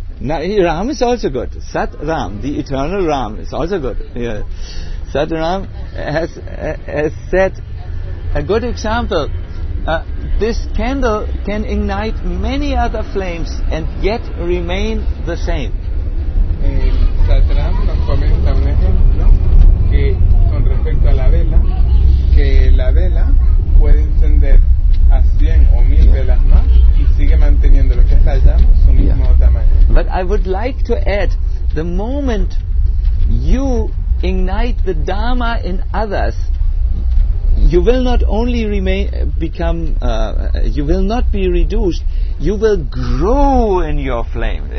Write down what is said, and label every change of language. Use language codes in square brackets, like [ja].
[en] Now, Ram is also good. Sat Ram, the eternal Ram, is also good. Yeah. Sat Ram has set a good example This candle can ignite many other flames and yet remain the same. [es] Satram nos comenta un ejemplo que con respecto a la vela, que la vela puede encender a 100 o 1000 velas más y sigue manteniendo lo que es la llama su mismo tamaño. [en] But I would like to add, the moment you ignite the Dharma in others, you will not only remain, become, you will not be reduced, you will grow in your flame.